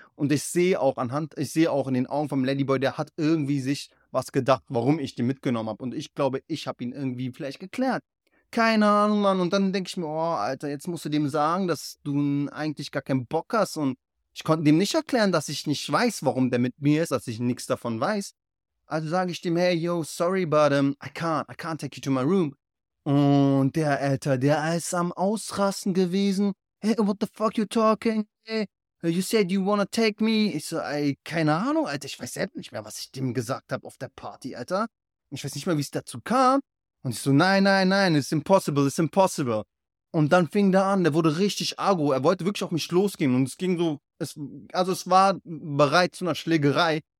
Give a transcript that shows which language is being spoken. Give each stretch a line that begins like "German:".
German: Und ich sehe auch in den Augen vom Ladyboy, der hat irgendwie sich was gedacht, warum ich den mitgenommen habe. Und ich glaube, ich habe ihn irgendwie vielleicht geklärt. Keine Ahnung, Mann. Und dann denke ich mir, oh, Alter, jetzt musst du dem sagen, dass du eigentlich gar keinen Bock hast. Und ich konnte dem nicht erklären, dass ich nicht weiß, warum der mit mir ist, dass ich nichts davon weiß. Also sage ich dem, hey, yo,
English: sorry, but I can't take you to my room.
German: Und der, Alter, der ist am Ausrasten gewesen.
English: Hey, what the fuck you talking? Hey, you said you wanna take me.
German: Ich so, ey, keine Ahnung, Alter. Ich weiß selbst nicht mehr, was ich dem gesagt habe auf der Party, Alter. Ich weiß nicht mehr, wie es dazu kam. Und ich so, nein,
English: it's impossible.
German: Und dann fing der an, der wurde richtig aggro. Er wollte wirklich auf mich losgehen. Und es ging so, es war bereit zu einer Schlägerei.